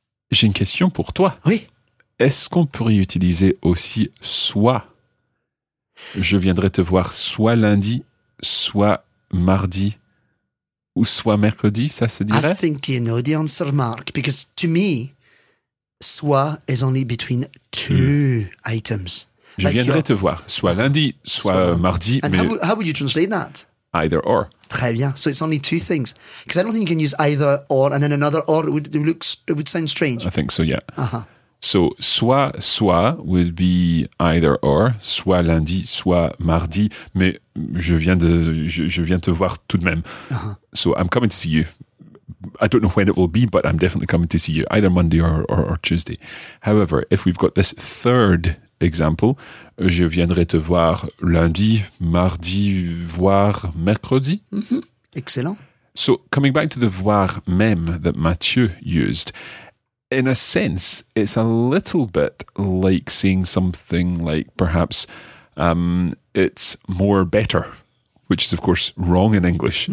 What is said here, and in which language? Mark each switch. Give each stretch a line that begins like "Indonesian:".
French: J'ai une question pour toi. Oui. Est-ce qu'on pourrait utiliser aussi soit? Je viendrai te voir soit lundi, soit mardi, ou soit mercredi, ça se dirait?
English: I think you know the answer, Mark, because to me... Soit is only between two items.
French: Je viendrai te voir, soit lundi, soit mardi.
English: And
French: mais
English: how would you translate that? Either or.
French: Très bien.
English: So it's only two things. Because I don't think you can use either or and then another or. It would sound strange. I think so, yeah. Uh-huh. So soit would be either or,
French: soit lundi, soit mardi. Mais je viens te voir tout de même. Uh-huh.
English: So I'm coming to see you. I don't know when it will be, but I'm definitely coming to see you, either Monday or Tuesday. However, if we've got this third example,
French: je viendrai te voir lundi, mardi, voire mercredi.
English: Mm-hmm. Excellent. So, coming back to the voir même that Mathieu used, in a sense, it's a little bit like saying something like, perhaps, it's more better, which is, of course, wrong in English.